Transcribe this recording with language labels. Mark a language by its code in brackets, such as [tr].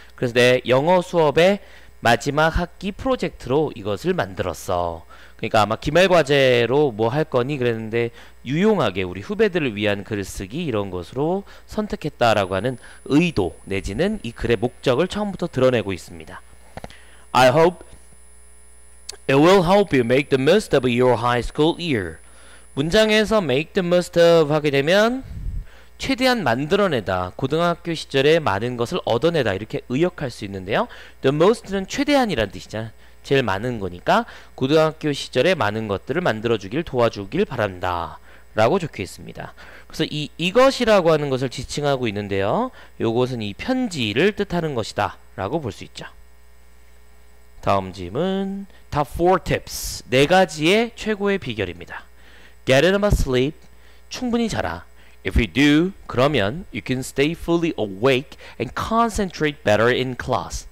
[ko] 그래서 내 영어 수업의 마지막 학기 프로젝트로 이것을 만들었어. 그러니까 아마 기말 과제로 뭐 할 거니 그랬는데 유용하게 우리 후배들을 위한 글을 쓰기 이런 것으로 선택했다라고 하는 의도 내지는 이 글의 목적을 처음부터 드러내고 있습니다. [en] I hope it will help you make the most of your high school year. [ko] 문장에서 make the most of 하게 되면 최대한 만들어내다, 고등학교 시절에 많은 것을 얻어내다 이렇게 의역할 수 있는데요. The most는 최대한이라는 뜻이잖아. 제일 많은 거니까 고등학교 시절에 많은 것들을 만들어주길 도와주길 바란다 라고 적혀있습니다. 그래서 이 이것이라고 하는 것을 지칭하고 있는데요. 요것은 이 편지를 뜻하는 것이다 라고 볼 수 있죠. 다음 질문 Top 4 tips. 네 가지의 최고의 비결입니다. [en] Get enough sleep. [ko] 충분히 자라. [en] If you do, [ko] 그러면 [en] you can stay fully awake and concentrate better in class.